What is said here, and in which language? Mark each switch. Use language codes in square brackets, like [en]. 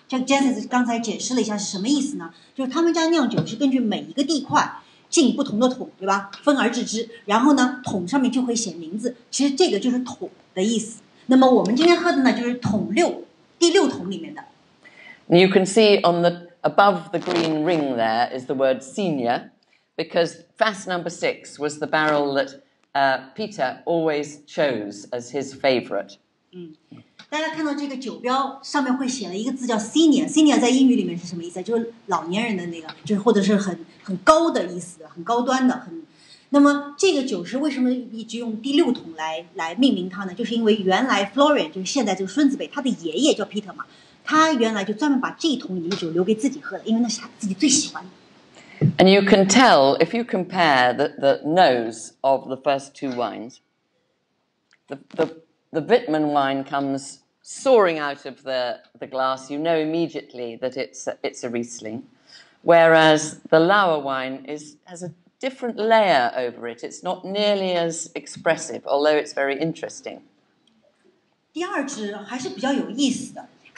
[zh] 像 Jancis 刚才解释了一下是什么意思呢？就是他们家酿酒是根据每一个地块进不同的桶，对吧？分而制之，然后呢，桶上面就会写名字。其实这个就是桶的意思。那么我们今天喝的呢，就是桶六，第六桶里面的。 [en] You can see on the above the green ring there is the word senior, because Fass number 6 was the barrel that Peter always chose as his favorite. [zh] 大家看到这个酒标上面会写了一个字叫 senior，senior 在英语里面是什么意思？就是老年人的那个，就是或者是很高的意思，很高端的。那么这个酒是为什么一直用第六桶来命名它呢？就是因为原来 Florian 就是现在这个孙子辈，他的爷爷叫 Peter 嘛。 [en] And you can tell, if you compare the nose of the first two wines, the Wittmann wine comes soaring out of the glass. You know immediately that it's a Riesling, whereas the Lauer wine has a different layer over it. It's not nearly as expressive, although it's very interesting. [zh] 第二支还是比较有意思的。